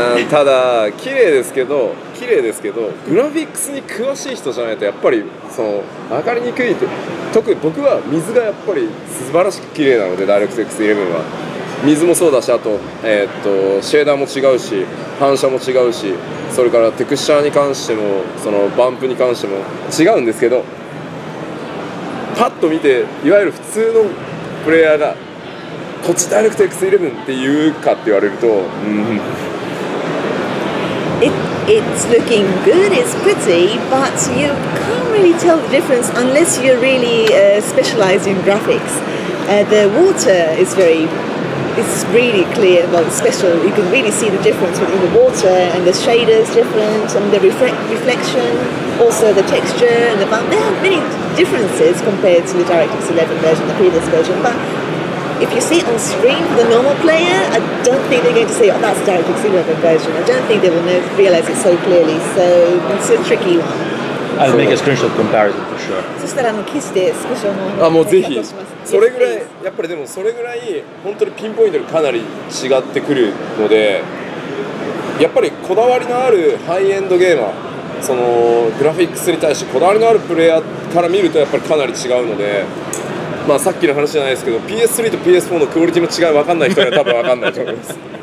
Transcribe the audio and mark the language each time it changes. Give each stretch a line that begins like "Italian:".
Japanese: ただ綺麗ですけど綺麗ですけどグラフィックスに詳しい人じゃないとやっぱりその分かりにくいって特に僕は水がやっぱり素晴らしく綺麗なのでダイレクトX11は水もそうだしあとシェーダーも違うし反射も違うしそれからテクスチャーに関してもそのバンプに関しても違うんですけどパッと見ていわゆる普通のプレイヤーがこっちダイレクトX11 って言うかって言われると、うん、
English: It's looking good, it's pretty, but you can't really tell the difference unless you're really specialized in graphics. The water is very, it's really clear, well, special. You can really see the difference between the water and the shaders different and the reflection, also the texture and the bump. There are many differences compared to the DirectX 11 version, the previous version, but if you see it on screen for the normal player, I don't think they're going to say, oh, that's the DirectX 11 version. I don't think they will realize it so clearly, so it's a tricky one. I'll make a screenshot comparison for sure.
Japanese: そしたら、キスで少しは、もうぜひ、それぐらい、やっぱりでもそれぐらい、本当にピンポイントでかなり違ってくるので、やっぱりこだわりのあるハイエンドゲーマー、そのグラフィックスに対してこだわりのあるプレイヤーから見るとやっぱりかなり違うので、まあ、さっきの話じゃないですけど PS3 と PS4 のクオリティの違い分かんない人には多分分かんないと思います